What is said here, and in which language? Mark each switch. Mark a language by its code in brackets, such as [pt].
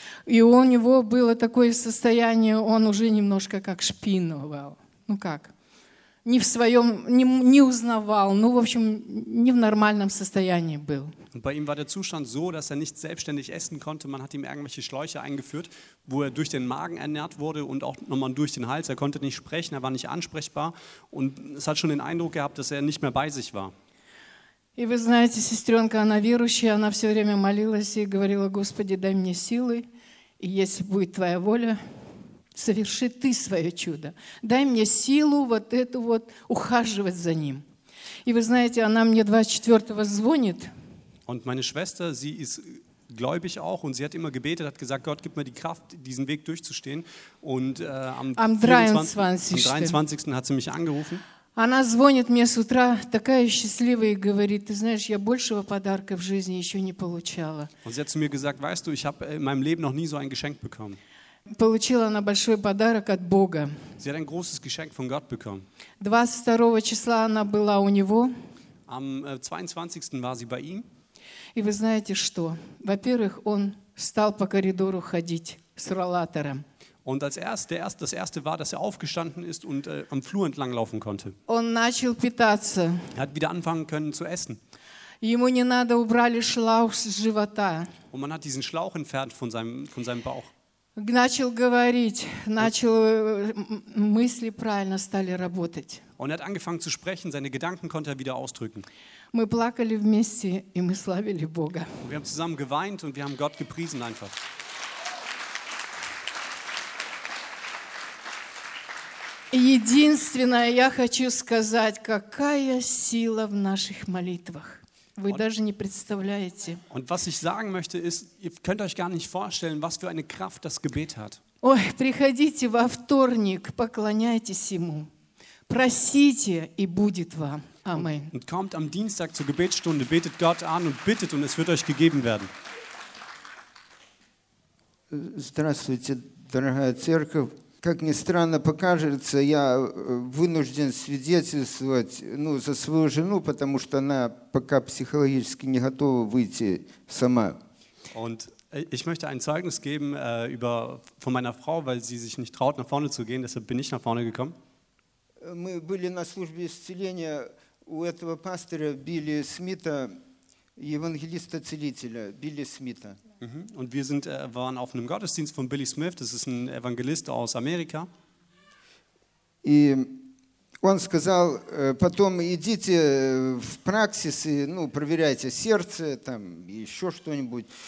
[ru] И у него было такое состояние, он уже немножко как шпиновал. Ну как? Не в своем, не узнавал, ну, в общем, не в нормальном состоянии был. [de] Und bei ihm war der Zustand so, dass nicht selbstständig essen konnte. Man hat ihm irgendwelche Schläuche eingeführt, wo durch den Magen ernährt wurde und auch nochmal durch den Hals. Konnte nicht sprechen, war nicht ansprechbar. Und es hat schon den Eindruck gehabt, dass nicht mehr bei sich war. [ru] И вы знаете, сестренка, она верующая, она все время молилась и говорила, Господи, дай мне силы, и если будет твоя воля, соверши ты свое чудо. Дай мне силу вот эту вот ухаживать за ним. И вы знаете, она мне 24-го звонит. [de] Und meine Schwester, sie ist gläubig auch und sie hat immer gebetet, hat gesagt, Gott, gib mir die Kraft, diesen Weg durchzustehen. Und am 23. hat sie mich angerufen. [ru] Она звонит мне с утра, такая счастливая, и говорит, ты знаешь, я большего подарка в жизни еще не получала. [de] Und sie hat zu mir gesagt, weißt du, ich habe in meinem Leben noch nie so ein Geschenk bekommen. [ru] Получила она большой подарок от Бога. [de] Sie hat ein großes Geschenk von Gott bekommen. [ru] 22 числа она была у него. [de] Am 22. war sie bei ihm. [ru] И вы знаете что? Во-первых, он стал по коридору ходить с роллатором. [de] Und als das Erste war, dass aufgestanden ist und am Flur entlang laufen konnte. [ru] Он начал питаться. [de] Er hat wieder anfangen können zu essen. [ru] Ему не надо, убрали шлауch с живота. [de] Und man hat diesen Schlauch entfernt von seinem Bauch. [ru] Начал говорить, начал мысли правильно стали работать. [de] Und er hat angefangen zu sprechen, seine Gedanken konnte wieder ausdrücken. [ru] Мы плакали вместе и мы славили Бога. [de] Und wir haben zusammen geweint und wir haben Gott gepriesen einfach. [ru] Единственное, я хочу сказать, какая сила в наших молитвах. Вы даже не представляете. [de] Und was ich sagen möchte ist, ihr könnt euch gar nicht vorstellen, was für eine Kraft das Gebet hat. [ru] Ой, приходите во вторник, поклоняйтесь ему. Просите, и будет вам. Amen. [de] Und kommt am Dienstag zur Gebetsstunde, betet Gott an und bittet und es wird euch gegeben werden. [ru] Здравствуйте, дорогая церковь. Как ни странно покажется, я вынужден свидетельствовать, ну, за свою жену, потому что она пока психологически не готова выйти сама. [de] Und ich möchte ein Zeugnis geben von meiner Frau, weil sie sich nicht traut, nach vorne zu gehen, deshalb bin ich nach vorne gekommen. [ru] Мы были на службе исцеления у этого пастора Билли Смита, евангелиста-целителя Билли Смита. [de] Und wir sind, waren auf einem Gottesdienst von Billy Smith, das ist ein Evangelist aus Amerika. [ru] И он сказал, потом идите в Praxis, ну, проверяйте сердце, там, еще что-нибудь.